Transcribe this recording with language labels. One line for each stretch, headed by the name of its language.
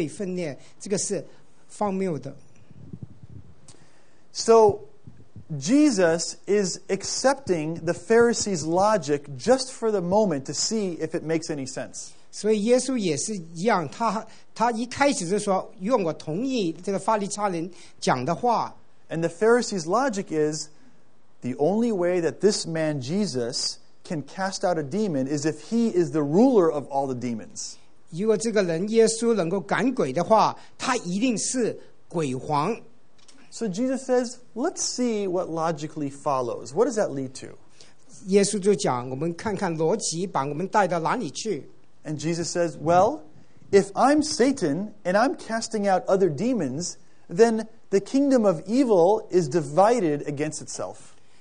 Chinese: 他说，如果我用鬼魂来赶鬼的话，一个好像一个家庭里面就会分裂，一个国家也会分裂，这个是荒谬的。
English: So Jesus is accepting the Pharisees' logic just for the moment to see if it makes any sense.
Chinese: 所以耶稣也是一样，他一开始是说，如果我同意这个法利赛人讲的话。
English: And the Pharisees' logic is, the only way that this man, Jesus, can cast out a demon is if he is the ruler of all the demons.
Chinese: 如果这个人耶稣能够赶鬼的话，他一定是鬼皇。
English: So Jesus says, let's see what logically follows. What does that lead to?
Chinese: 耶稣就讲，我们看看逻辑把我们带到哪里去。
English: And Jesus says, well, if I'm Satan and I'm casting out other demons, then the kingdom of evil is divided against itself.